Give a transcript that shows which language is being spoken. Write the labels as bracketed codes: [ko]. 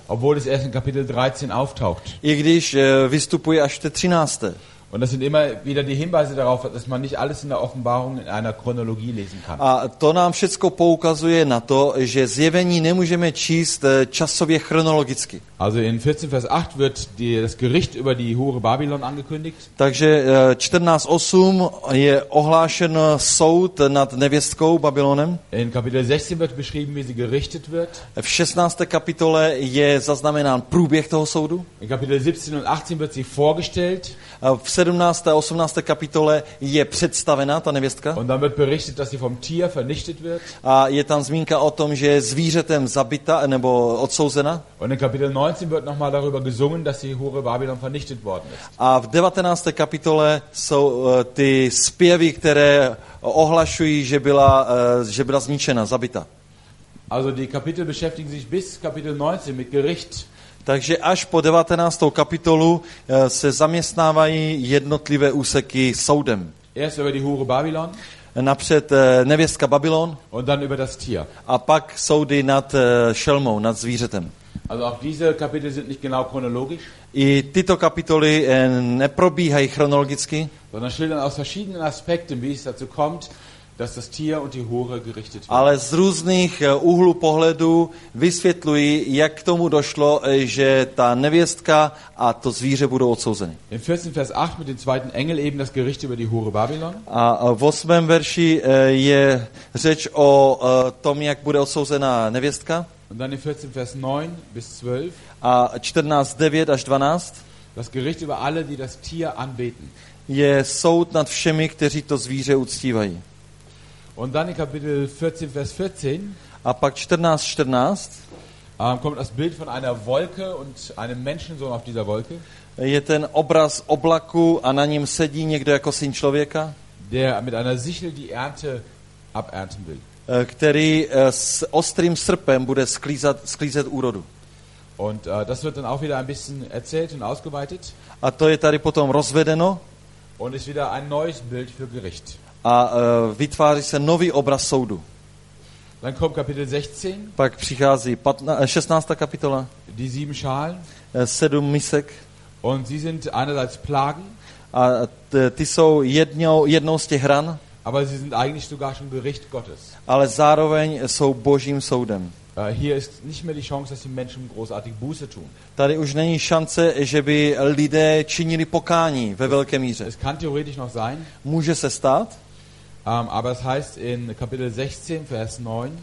[de] Obwohl es erst in Kapitel 13 auftaucht. [cs] I když vystupuje až v 13. [de] Und das sind immer wieder die Hinweise darauf, dass man nicht alles in der Offenbarung in einer Chronologie lesen kann. [cs] A to nám všecko poukazuje na to, že zjevení nemůžeme číst časově chronologicky. [de] Also in 14 Vers 8 wird das Gericht über die Hure Babylon angekündigt. [cs] Takže 14:8 je ohlášen soud nad nevěstkou Babylonem. [de] In Kapitel 16 wird beschrieben, wie sie gerichtet wird. [cs] V 16. kapitole je zaznamenán průběh toho soudu. [de] In Kapitel 17 und 18 wird sie vorgestellt. [cs] V 17. a 18. kapitole je představena ta nevěstka. [de] Und dann wird berichtet, dass sie vom Tier vernichtet wird. [cs] A je tam zmínka o tom, že je zvířetem zabita nebo odsouzena. [de] Und in Kapitel 19 wird nochmal darüber gesungen, dass die Hure Babylon vernichtet worden ist. [cs] A v 19. kapitole jsou ty zpěvy, které ohlašují, že byla zničena, zabita. [de] Also die Kapitel beschäftigen sich bis Kapitel 19 mit Gericht. [cs] Takže až po 19. kapitolu se zaměstnávají jednotlivé úseky soudem. [de] Erst über die Hure Babylon. [cs] Napřed nevěstka Babylon. [de] Und dann über das Tier. [cs] A pak soudy nad šelmou, nad zvířetem. [de] Also auch diese Kapitel sind nicht genau chronologisch. [cs] I tyto kapitoly neprobíhají chronologicky. [de] Sondern schildern aus verschiedenen Aspekten, wie es dazu kommt, dass das Tier und die Hure gerichtet werden. [cs] Ale z různých úhlů pohledu vysvětlují, jak k tomu došlo, že ta nevěstka a to zvíře budou odsouzeny. [de] In 14 Vers 8 mit dem zweiten Engel eben das Gericht über die Hure Babylon. [cs] A v 8. verši je řeč o tom, jak bude odsouzena nevěstka. [de] Und dann in 14 Vers 9 bis 12. [cs] A 14, 9 až 12. [de] Das Gericht über alle, die das Tier anbeten. [cs] Je soud nad všemi, kteří to zvíře uctívají. [de] Und dann in Kapitel 14, Vers 14. [cs] A pak 14, 14. [de] Kommt das Bild von einer Wolke und einem Menschensohn auf dieser Wolke. [cs] Je ten obraz oblaku a na něm sedí někdo jako syn člověka. [de] Der mit einer Sichel die Ernte abernten will. [cs] Který s ostrým srpem bude sklízet úrodu. [de] Und das wird dann auch wieder ein bisschen erzählt und ausgeweitet. [cs] A to je tady potom rozvedeno. [de] Und ist wieder ein neues Bild für Gericht. [cs] A vytváří se nový obraz soudu. [de] Dann kommt Kapitel 16. [cs] Pak přichází 16. kapitola. [de] Die sieben Schalen. [cs] Sedm misek. [de] Und sie sind einerseits Plagen. [cs] A ty jsou jednou z těch ran. [de] Aber sie sind eigentlich sogar schon Gericht Gottes. [cs] Ale zároveň jsou Božím soudem. [de] Hier ist nicht mehr die Chance, dass die Menschen großartig Buße tun. [cs] Tady už není šance, že by lidé činili pokání ve velké míře. [de] Es kann theoretisch noch sein. [cs] Může se stát. [de] Aber es heißt in Kapitel 16, Vers 9.